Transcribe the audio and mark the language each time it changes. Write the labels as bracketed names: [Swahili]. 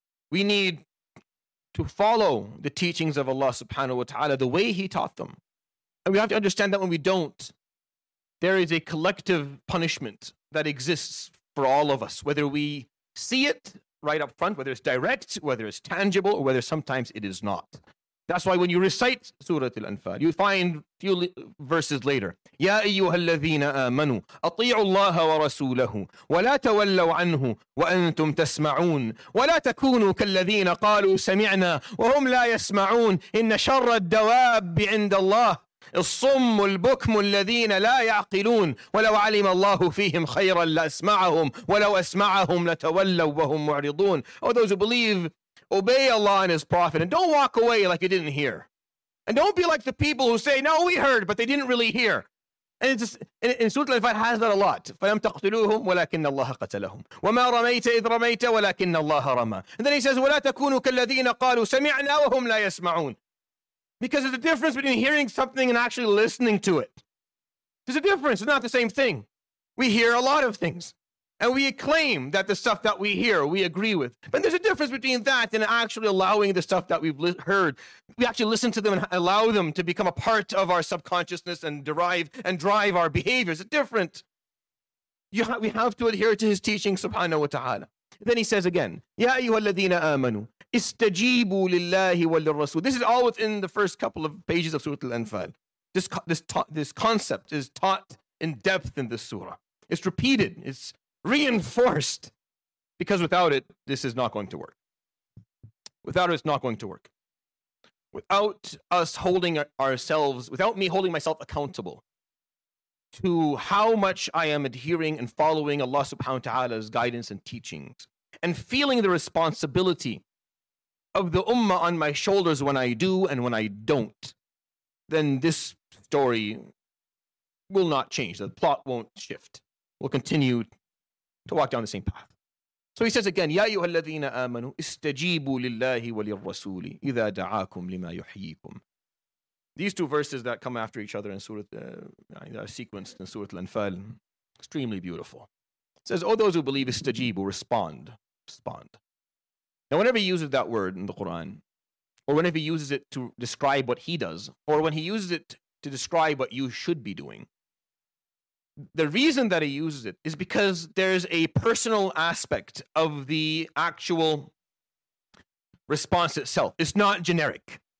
[English] We need to follow the teachings of Allah subhanahu wa ta'ala the way He taught them. And we have to understand that when we don't, there is a collective punishment that exists for all of us, whether we see it right up front, whether it's direct, whether it's tangible, or whether sometimes it is not. That's why when you recite Surah Al-Anfal, you find a few verses later, [Arabic] يَا أَيُّهَا الَّذِينَ آمَنُوا أَطِيعُوا اللَّهَ وَرَسُولَهُ وَلَا تَوَلَّوْا عَنْهُ وَأَنْتُمْ تَسْمَعُونَ وَلَا تَكُونُوا كَالَّذِينَ قَالُوا سَمِعْنَا وَهُمْ لَا يَسْمَعُونَ إِنَّ شَرَّ الدَّوَابِّ عِنْدَ اللَّهِ الصُّمُّ الْبُكْمُ الَّذِينَ لَا يَعْقِلُونَ وَلَوْ عَلِمَ اللَّهُ فِيهِمْ خَيْرًا لَأَسْمَعَهُمْ وَلَوْ أَسْمَعَهُمْ لَتَوَلَّوا وَهُمْ مُعْرِضُونَ. [English] Oh, those who believe, obey Allah and His Prophet, and don't walk away like you didn't hear. And don't be like the people who say, "No, we heard, but they didn't really hear." And it's just, in Surah Al-Fat has that a lot. [Arabic] فَلَمْ تَقْتُلُوهُمْ وَلَكِنَّ اللَّهَ قَتَلَهُمْ وَمَا رَمَيْتَ إِذْ رَمَيْتَ وَلَكِنَّ اللَّهَ رَمَى. [English] And then he says, [Arabic] وَلَا تَكُونُوا كَالَّذِينَ قَالُوا سَمِعْنَا وَهُمْ لَا يَسْمَعُونَ. [English] Because there's a difference between hearing something and actually listening to it. There's a difference. It's not the same thing. We hear a lot of things. And we claim that the stuff that we hear, we agree with. But there's a difference between that and actually allowing the stuff that we've heard. We actually listen to them and allow them to become a part of our subconsciousness and derive and drive our behaviors. It's different. We have to adhere to His teaching, subhanahu wa ta'ala. Then he says again, [Arabic] يَا أَيُّهَا الَّذِينَ آمَنُوا إِسْتَجِيبُوا لِلَّهِ وَلِلرَّسُولِ. [English] This is all within the first couple of pages of Surah Al-Anfal. This concept is taught in depth in this surah. It's repeated. It's reinforced. Because without it, this is not going to work. Without it, it's not going to work. Without us holding ourselves, without me holding myself accountable to how much I am adhering and following Allah subhanahu wa ta'ala's guidance and teachings, and feeling the responsibility of the ummah on my shoulders when I do and when I don't, then this story will not change. The plot won't shift. We'll continue to walk down the same path. So he says again, [Arabic] يَا أَيُّهَا الَّذِينَ آمَنُوا إِسْتَجِيبُوا لِلَّهِ وَلِلرَّسُولِ إِذَا دَعَاكُمْ لِمَا يُحْيِيكُمْ. [English] These two verses that come after each other in Surah, that are sequenced in Surah Al-Anfal, extremely beautiful. It says, those who believe, istajibu, respond, respond. Now, whenever he uses that word in the Quran, or whenever he uses it to describe what he does, or when he uses it to describe what you should be doing, the reason that he uses it is because there's a personal aspect of the actual response itself. It's not generic.